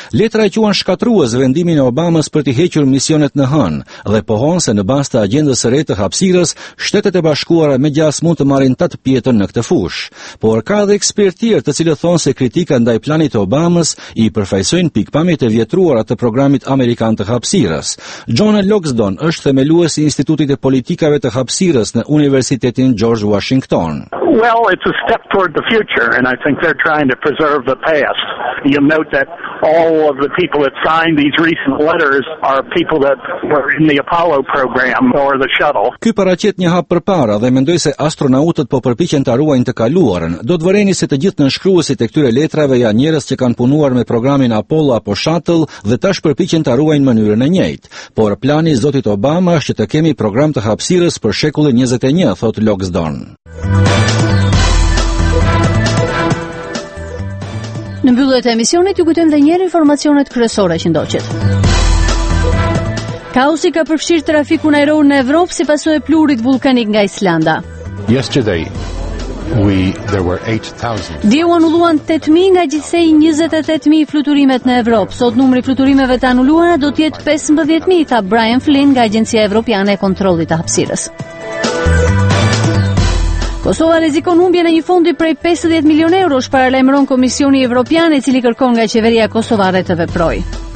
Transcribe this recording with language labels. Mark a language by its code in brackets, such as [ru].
[sq] Letra e quan shkatrues vendimin e Obamas për të hequr misionet në Hënë dhe pohon se në bazë të agjendës së re të hapësirës, Shtetet e Bashkuara më gjatë mund të marrin tat pjetën në këtë fushë, por ka edhe ekspertier të cilët thonë se kritika ndaj planit të Obamës i përfaqësojnë pikpamjet e vjetruara të programit amerikan të hapësirës. John Loxdon është themelues i Institutit të Politikave të Hapësirës në Universitetin George Washington. [en] Well, it's a step toward the future and I think they're trying to preserve the past. You note that all of the people that signed these recent letters are people that were in the Apollo program or the shuttle. [sq] Ky paraqet një hap përpara dhe mendoj se astronautët po përpiqen ta ruajnë të kaluarën. Do të vëreni se të gjithë nënshkruesit e këtyre letrave janë njerëz që kanë punuar me programin Apollo apo Shuttle dhe tash përpiqen ta ruajnë mënyrën e njëjtë. Por plani i zotit Obama është që të kemi program të hapësirës për shekullin 21, thot Loxdon. Në mbyllje të emisionit ju kujtojmë edhe një herë informacionet kryesore që ndoqët. Kaosi ka përfshirë trafikun ajror në Evropë si pasojë e plurit vulkanik nga Islanda. [en] Yesterday we there were 8000. [sq] Dje u anulluan 8000 nga gjithsej 28000 fluturimet në Evropë. Sot numri i fluturimeve të anulluara do të jetë 15000, tha Brian Flynn nga Agjencia Evropiane e Kontrollit të Hapësirës. Kosova rrezikon humbjen e një fondi prej 50 milion eurosh, paralajmëron Komisioni Evropian, i cili kërkon nga qeveria kosovare të veprojë.